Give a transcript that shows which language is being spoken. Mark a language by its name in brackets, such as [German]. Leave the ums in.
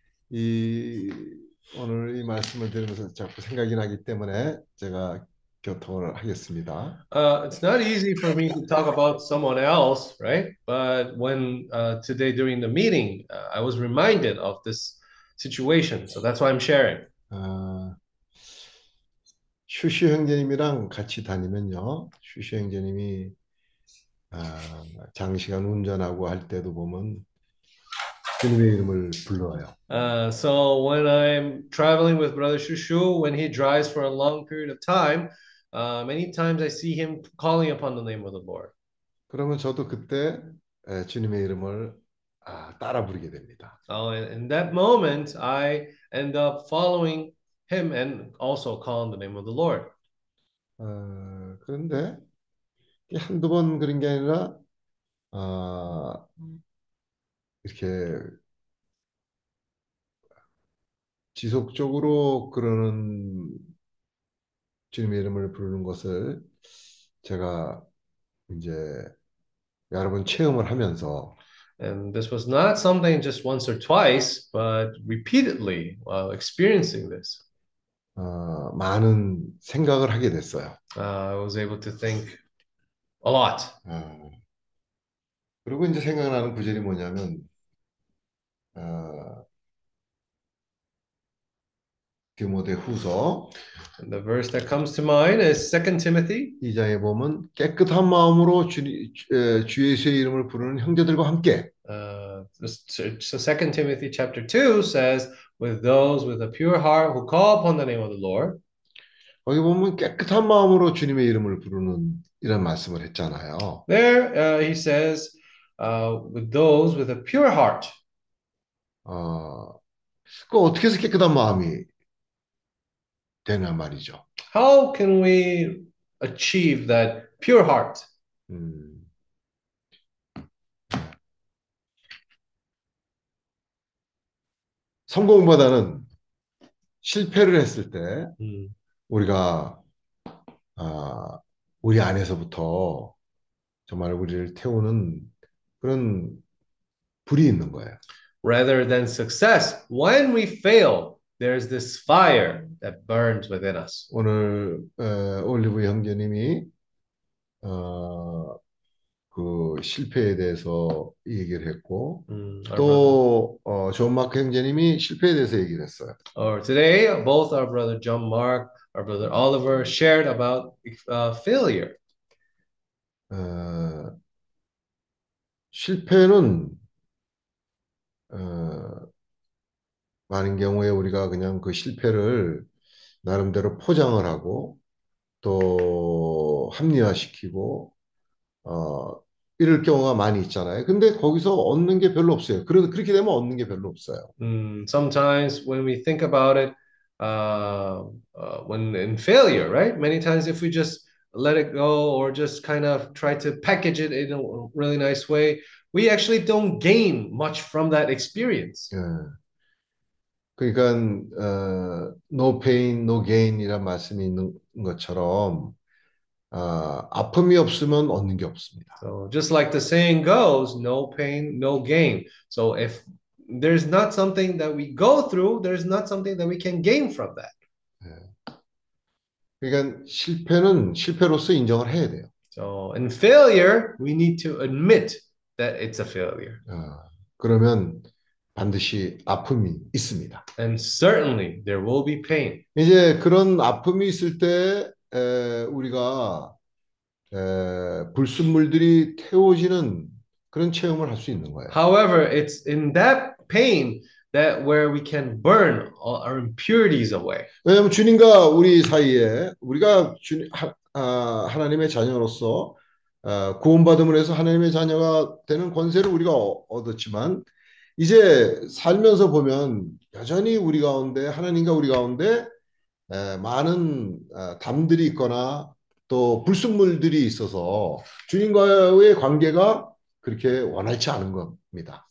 [Korean] 이 오늘 이 말씀을 들으면서 자꾸 생각이 나기 때문에 제가 교통을 하겠습니다. [English] Uh, it's not easy for me to talk about someone else, right? But when uh, today during the meeting, uh, I was reminded of this situation, so that's why I'm sharing. [Korean] 슈슈 형제님이랑 같이 다니면요, 슈슈 형제님이 아, 장시간 운전하고 할 때도 보면 [English] Uh, so when I'm traveling with Brother Shushu, when he drives for a long period of time, uh, many times I see him calling upon the name of the Lord. [Korean] 그러면 저도 그때 uh, 주님의 이름을 아, 따라 부르게 됩니다. [English] Oh, in that moment, I end up following him and also calling the name of the Lord. [Korean] 어, 그런데 한두번 그런 게 아니라. 어, 이렇게 지속적으로 그러는 주님의 이름을 부르는 것을 제가 이제 여러분 체험을 하면서 [English] and this was not something just once or twice but repeatedly while experiencing this [Korean] 어, 많은 생각을 하게 됐어요. [English] Uh, I was able to think a lot. [Korean] 어, 그리고 이제 생각나는 구절이 뭐냐면 디모데후서. [English] And the verse that comes to mind is 2 Timothy. [Korean] 이장에 보면 깨끗한 마음으로 주 예수의 이름을 부르는 형제들과 함께. [English] Uh, so 2 Timothy chapter 2 says, with those with a pure heart who call upon the name of the Lord. [Korean] 거기 보면 깨끗한 마음으로 주님의 이름을 부르는 이런 말씀을 했잖아요. [English] There uh, he says, uh, with those with a pure heart. [Korean] 어, 그 어떻게 해서 깨끗한 마음이 되냐 말이죠. [English] How can we achieve that pure heart? 음. [Korean] 성공보다는 실패를 했을 때 음. 우리가 아, 어, 우리 안에서부터 정말 우리를 태우는 그런 불이 있는 거예요. [English] rather than success. When we fail, there's this fire that burns within us. [Korean] 오늘 uh, Oliver 형제님이 uh, 그 실패에 대해서 얘기를 했고 mm, 또존 uh, 형제님이 실패에 대해서 얘기를 했어요. [English] Or oh, today, both our brother John Mark, our brother Oliver shared about uh, failure. [Korean] Uh, 실패는 많은 경우에 우리가 그냥 그 실패를 나름대로 포장을 하고 또 합리화시키고 어, 이럴 경우가 많이 있잖아요. 근데 거기서 얻는 게 별로 없어요. 그래 그렇게 되면 얻는 게 별로 없어요. [English] 음, sometimes when we think about it, uh, uh, when in failure, right? Many times if we just let it go or just kind of try to package it in a really nice way, we actually don't gain much from that experience. Yeah. [Korean] 그러니까, [English] uh, no pain, no 것처럼, uh, so just like the saying goes, no pain no gain. So if there's not something that we go through, there's not something that we can gain from that. 네. Yeah. [Korean] 그러니까 실패는 실패로서 [English] So in failure, we need to admit that it's a failure. [Korean] 어, 그러면 반드시 아픔이 있습니다. [English] And certainly there will be pain. [Korean] 이제 그런 아픔이 있을 때 에, 우리가 에, 불순물들이 태워지는 그런 체험을 할 수 있는 거예요. [English] However, it's in that pain that where we can burn all our impurities away. [Korean] 왜냐하면 주님과 우리 사이에 우리가 주, 하, 아, 하나님의 자녀로서 구원받음을 해서 하나님의 자녀가 되는 권세를 우리가 얻었지만 이제 살면서 보면 여전히 우리 가운데 하나님과 우리 가운데 많은 담들이 있거나 또 불순물들이 있어서 주님과의 관계가 그렇게 원활치 않은 겁니다.